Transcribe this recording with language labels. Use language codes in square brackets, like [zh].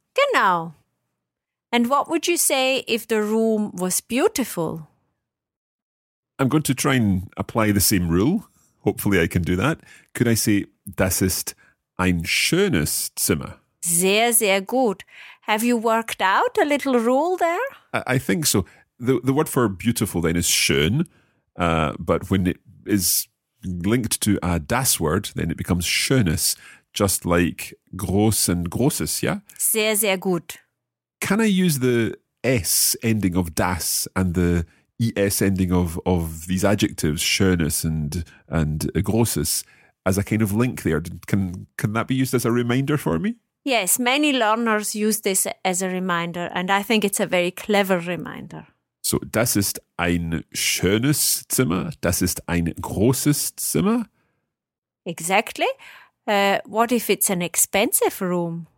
[de] Genau. [en] And what would you say if the room was beautiful? I'm going to try and apply the same rule. Hopefully I can do that. Could I say, [de] das ist ein schönes Zimmer? Sehr, sehr gut. [en] Have you worked out a little rule there? I think so. The word for beautiful then is schön, but when it is linked to a das word, then it becomes schönes, just like groß and großes, yeah? [de] Sehr, sehr gut. [en] Can I use the S ending of das and the ES ending of these adjectives, schönes and großes, as a kind of link there? Can that be used as a reminder for me? Yes, many learners use this as a reminder, and I think it's a very clever reminder. [de] So, das ist ein schönes Zimmer, das ist ein großes Zimmer. [en] Exactly. What if it's an expensive room?